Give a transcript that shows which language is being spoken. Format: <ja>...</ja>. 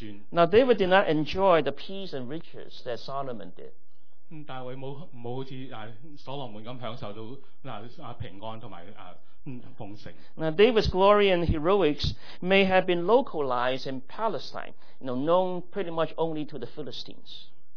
<en>Now David did not enjoy the peace and riches that Solomon did.</en> <yue>大卫冇好似所罗门咁享受到平安同埋奉承。</yue> <en>Now David's glory and heroics may have been localized in Palestine, known pretty much only to the Philistines.</en>